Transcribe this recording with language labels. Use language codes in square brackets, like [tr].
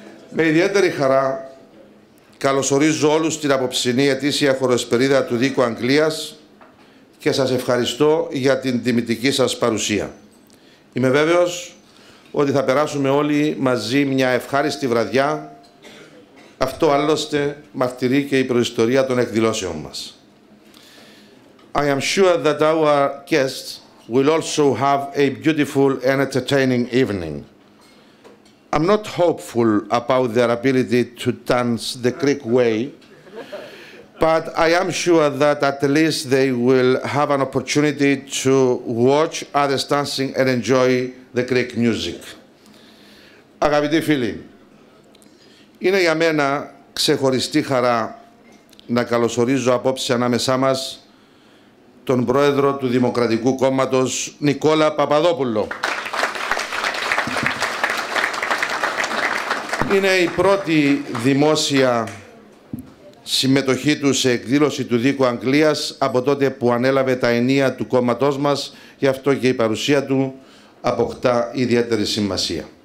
[el] με ιδιαίτερη χαρά καλωσορίζω όλους την απόψινή ετήσια χοροεσπερίδα του ΔΗΚΟ Αγγλίας και σας ευχαριστώ για την τιμητική σας παρουσία. Είμαι βέβαιος ότι θα περάσουμε όλοι μαζί μια ευχάριστη βραδιά. Αυτό άλλωστε μαρτυρεί και η προϊστορία των εκδηλώσεων μας. [en] I am sure that our guests will also have a beautiful and entertaining evening. I'm not hopeful about their ability to dance the Greek way, but I am sure that at least they will have an opportunity to watch others dancing and enjoy the Greek music. [el] Αγαπητοί φίλοι, είναι για μένα ξεχωριστή χαρά να καλωσορίζω απόψε ανάμεσά μας τον Πρόεδρο του Δημοκρατικού Κόμματος, Νικόλα Παπαδόπουλο. Είναι η πρώτη δημόσια συμμετοχή του σε εκδήλωση του ΔΗΚΟ Αγγλίας από τότε που ανέλαβε τα ενία του κόμματός μας, γι' αυτό και η παρουσία του αποκτά ιδιαίτερη σημασία.